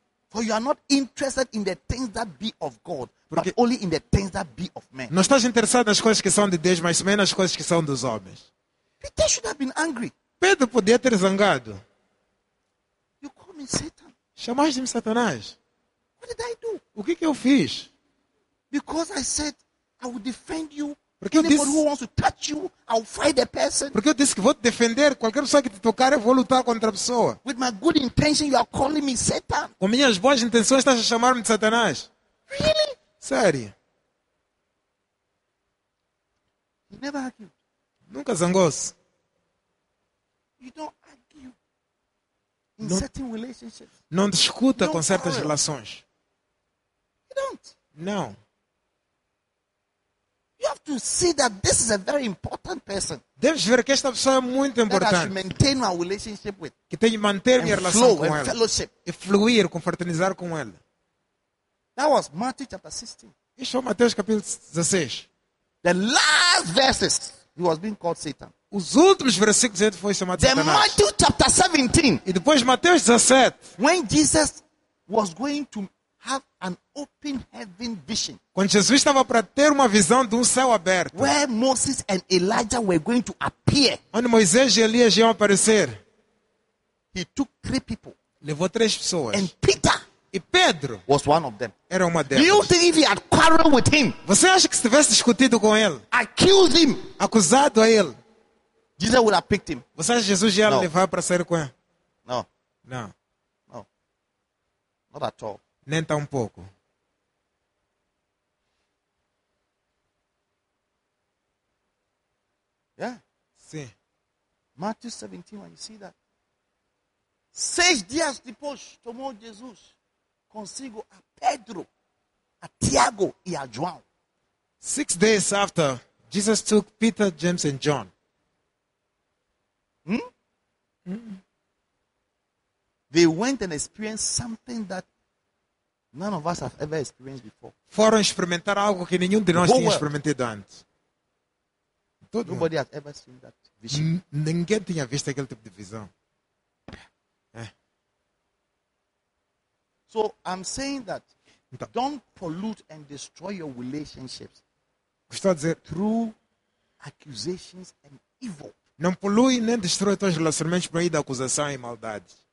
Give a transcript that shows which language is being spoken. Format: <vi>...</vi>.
<en>For you are not interested in the things that be of God. Porque but only in the things that be of men.</en> <pt>Não estás interessado nas coisas que são de Deus, mas menos nas coisas que são dos homens.</pt> <en>Peter should have been angry.</en> <pt>Pedro podia ter zangado.</pt> <en>You call me Satan.</en> <pt>Chamaste-me Satanás.</pt> <en>What did I do?</en> <pt>O que eu fiz?</pt> <en>Because I said I will defend you.</en> <pt>Porque eu disse,</pt> <en>who wants to touch you, I'll fight the person.</en> <pt>Porque eu disse que vou te defender. Qualquer pessoa que te tocar, eu vou lutar contra a pessoa.</pt> <en>With my good intention, you are calling me Satan.</en> <pt>Com minhas boas intenções, estás a chamar-me de Satanás.</pt> <en>Really?</en> <pt>Sério.</pt> <en>You never argue.</en> <pt>Nunca zangou-se.</pt> <en>You don't argue in certain relationships.</en> <pt>Não discuta com certas relações.</pt> <en>You don't.</en> <pt>Não.</pt> <en>You have to see that this is a very important person.</en> <pt>Deves ver que esta pessoa é muito importante.</pt> <en>That I should maintain my relationship with.</en> <pt>Que tenho que manter minha relação com ela.</pt> <en>And fellowship.</en> <pt>E fluir, confraternizar com ela.</pt> <en>That was Matthew chapter 16.</en> <pt>Isso é Mateus capítulo 16.</pt> <en>The last verses, he was being called Satan.</en> <pt>Os últimos versículos ele foi chamado</pt> <en>Satanás. Then Matthew chapter 17.</en> <pt>E depois Mateus 17.</pt> <en>When Jesus was going to have an open heaven vision.</en> <pt>Quando Jesus estava para ter uma visão de céu aberto.</pt> <en>Where Moses and Elijah were going to appear.</en> <pt>Onde Moisés e Elias iam aparecer.</pt> <en>He took three people.</en> <pt>Levou três pessoas.</pt> <en>And Peter.</en> <pt>E Pedro.</pt> <en>Was one of them.</en> <pt>Era uma delas.</pt> <en>Do you think if he had quarreled with him?</en> <pt>Você acha que se tivesse discutido com ele?</pt> <en>Accused him.</en> <pt>Acusado a ele.</pt> <en>Jesus would have picked him.</en> <pt>Você acha que Jesus ia</pt> <en>no.</en> <pt>levar para sair com ele? Não. Não.</pt> <en>No. Not at all.</en> <pt>Nem tão pouco.</pt> <en>Yeah.</en> <pt>Sim.</pt> <en>Matthew 17, when you see that.</en> <pt>Seis dias depois, tomou Jesus consigo a Pedro, a Tiago e a João.</pt> <en>6 days after, Jesus took Peter, James and John. Hmm? Mm-hmm. They went and experienced something that none of us have ever experienced before.</en> <pt>Foram experimentar algo que nenhum de nós tinha experimentado antes.</pt> <en>Todo Nobody has ever seen that vision.</en> <pt>Ninguém tinha visto aquele tipo de visão.</pt> <en>So I'm saying that don't pollute and destroy your relationships through accusations and evil.</en> <pt>Não polui nem destrói teus relacionamentos por meio da acusação e maldade.</pt>